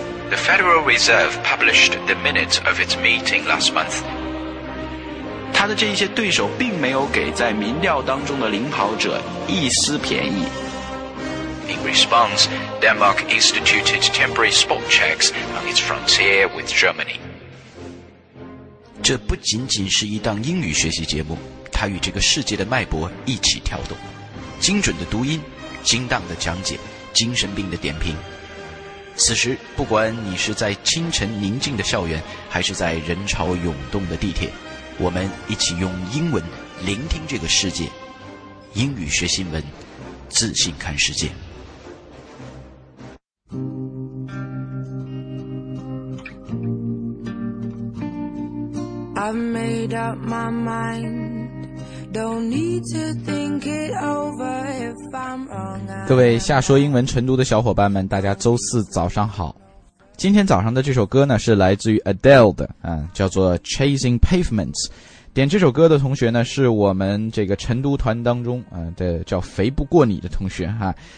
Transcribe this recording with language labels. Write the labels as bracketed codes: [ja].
[en] The Federal Reserve published the minutes of its meeting last month. [zh] 他的这一些对手并没有给在民调当中的领跑者一丝便宜。 [en] In response, Denmark instituted temporary spot checks on its frontier with Germany. [zh] 这不仅仅是一档英语学习节目，它与这个世界的脉搏一起跳动，精准的读音，精当的讲解，精神病的点评。此时，不管你是在清晨宁静的校园，还是在人潮涌动的地铁，我们一起用英文聆听这个世界。英语学新闻，自信看世界。 [en] I've made up my mind. Don't need to think it over if I'm wrong. [zh] 各位下说英文晨读的小伙伴们，大家周四早上好。今天早上的这首歌呢，是来自于 Adele 的，叫做 Chasing Pavements。点这首歌的同学呢，是我们这个晨读团当中，的叫肥不过你的同学哈。